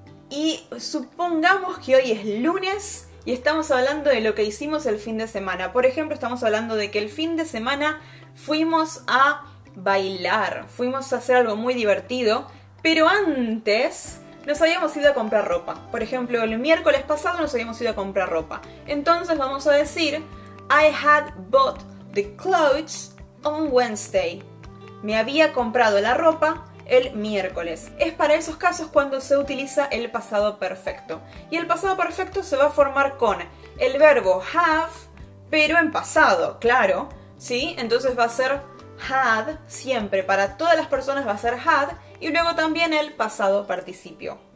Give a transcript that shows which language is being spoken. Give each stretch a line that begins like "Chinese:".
Spanish: Y supongamos que hoy es lunes y estamos hablando de lo que hicimos el fin de semana. Por ejemplo, estamos hablando de que el fin de semana fuimos a bailar, fuimos a hacer algo muy divertido, pero antes nos habíamos ido a comprar ropa. Por ejemplo, el miércoles pasado nos habíamos ido a comprar ropa. Entonces vamos a decir
English: I had bought the clothes on Wednesday.
Spanish: Me había comprado la ropa el miércoles. Es para esos casos cuando se utiliza el pasado perfecto. Y el pasado perfecto se va a formar con el verbo have, pero en pasado, claro, ¿sí? Entonces va a ser had, siempre, para todas las personas va a ser had, y luego también el pasado participio.